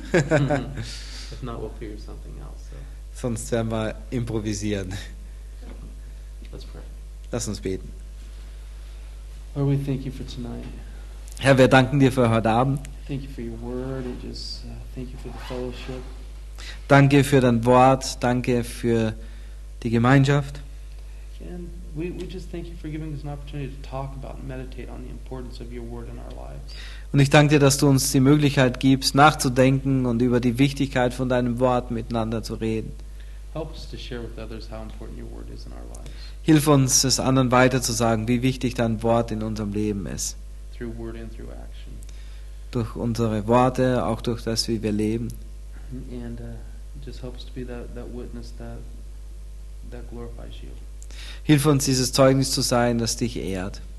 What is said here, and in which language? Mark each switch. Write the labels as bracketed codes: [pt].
[en] If not, we'll figure something else. So. [de] Sonst werden wir improvisieren. [en] Let's pray. [de] Lass uns beten. [en] Lord, we thank you for tonight. [de] Herr, wir danken dir für heute Abend. [en] Thank you for your word and just thank you for the fellowship. [de] Danke für dein Wort, danke für die Gemeinschaft. [en] And we just thank you for giving us an opportunity to talk about and meditate on the importance of your word in our lives. [de] Und ich danke dir, dass du uns die Möglichkeit gibst, nachzudenken und über die Wichtigkeit von deinem Wort miteinander zu reden. [en] Help us to share with others how important your word is in our lives. [de] Hilf uns, es anderen weiterzusagen, wie wichtig dein Wort in unserem Leben ist. [en] Through word and through action. [de] Durch unsere Worte, auch durch das, wie wir leben. [en] And just help us to be that witness that glorifies you. [de] Hilf uns, dieses Zeugnis zu sein, das dich ehrt.